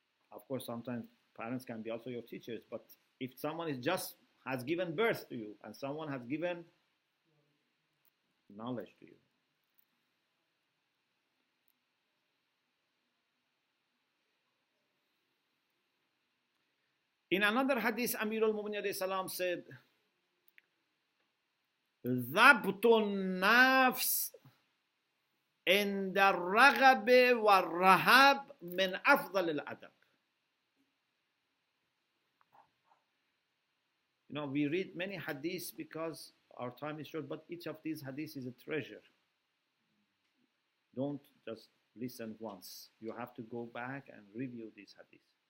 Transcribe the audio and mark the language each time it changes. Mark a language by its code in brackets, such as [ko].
[en] Of course, sometimes parents can be also your teachers, but if someone is just has given birth to you and someone has given knowledge to you, in another hadith, Amir al-Mu'minin alayhi salam said, "Zabtun nafs [ar] عند الرغب والرهاب من أفضل الأدب. [en] You know, we read many hadiths because our time is short, but each of these hadiths is a treasure. Don't just listen once. You have to go back and review these hadiths.